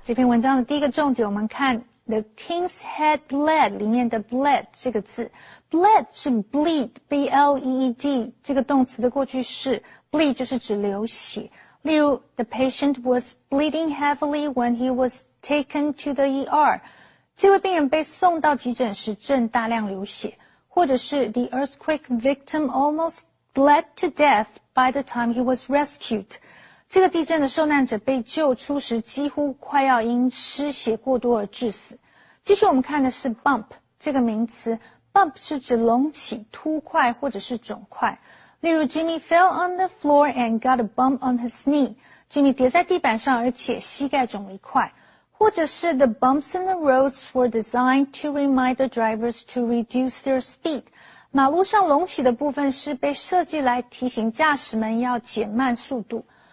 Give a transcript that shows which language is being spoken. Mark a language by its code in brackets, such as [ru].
[zh] 这篇文章的第一个重点，我们看 The King's Head Bled 里面的 bled 这个字。 Bled 是 bleed, B-L-E-E-D, 这个动词的过去式。 Bleed 就是指流血。例如 [en] The patient was bleeding heavily when he was taken to the ER. [zh] 这位病人被送到急诊时正大量流血。或者是 [en] The earthquake victim almost bled to death by the time he was rescued. [zh] 这个地震的受难者被救出时几乎快要因失血过多而致死。继续我们看的是 bump 这个名词。bump 是指隆起、凸块或者是肿块。例如 [en] Jimmy fell on the floor and got a bump on his knee. [zh] Jimmy 跌在地板上而且膝盖肿了一块。或者是 [en] the bumps in the roads were designed to remind the drivers to reduce their speed. [zh] 马路上隆起的部分是被设计来提醒驾驶们要减慢速度。